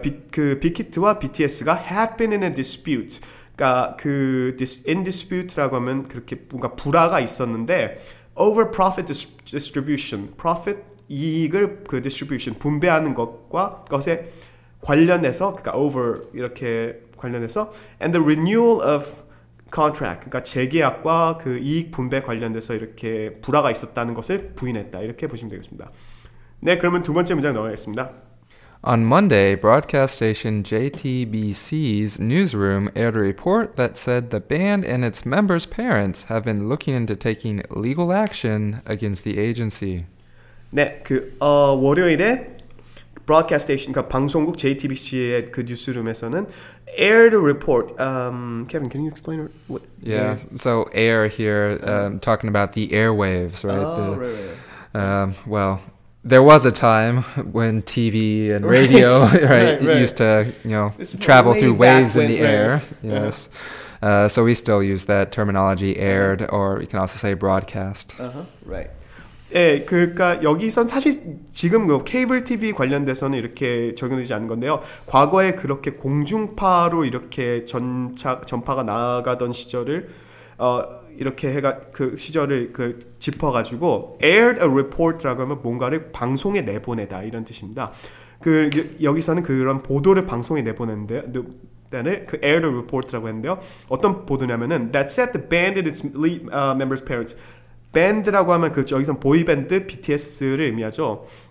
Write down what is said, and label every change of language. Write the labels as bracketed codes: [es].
[ko] 그 빅히트와 BTS가 [en] have been in a dispute, [ko] 그러니까 그 [en] in dispute [ko] 라고 하면 그렇게 뭔가 불화가 있었는데 [en] over profit distribution, [ko] profit 이익을 그 distribution, 분배하는 것에 관련해서 그러니까 over 이렇게 관련해서 [en] and the renewal of contract [ko] 그러니까 재계약과 그 이익 분배 관련돼서 이렇게 불화가 있었다는 것을 부인했다 이렇게 보시면 되겠습니다. 네, 그러면 두 번째 문장 넘어가겠습니다. [en] On Monday, broadcast station JTBC's newsroom aired a report that said the band and its members' parents have been looking into taking legal action against the agency. [ko] 네, 그 월요일에 [en] broadcast station, [ko] 그러니까 방송국 JTBC의 그 뉴스룸에서는 [en] aired a report. Kevin, can you explain what? Yeah, air? So air here, talking about the airwaves, right? Oh, the, right, right. Well, there was a time when TV and radio right, used to, you know, travel through waves in the air. Right. Yes. Uh-huh. So we still use that terminology, aired, or you can also say broadcast. Uh-huh, right. [ko] 예, 그러니까 여기선 사실 지금 뭐 케이블 TV 관련돼서는 이렇게 적용되지 않은 건데요. 과거에 그렇게 공중파로 이렇게 전파가 나아가던 시절을 이렇게 해가 그 시절을 그 짚어가지고 [en] aired a report [ko] 라고 하면 뭔가를 방송에 내보내다 이런 뜻입니다. 그 여기서는 그런 보도를 방송에 내보내는데요. 때는 그 [en] aired a report [ko] 라고 했는데요. 어떤 보도냐면은 [en] that set the band and its lead members' parents. [ko] 밴드라고 하면 그 여기서 보이밴드 BTS를 의미하죠.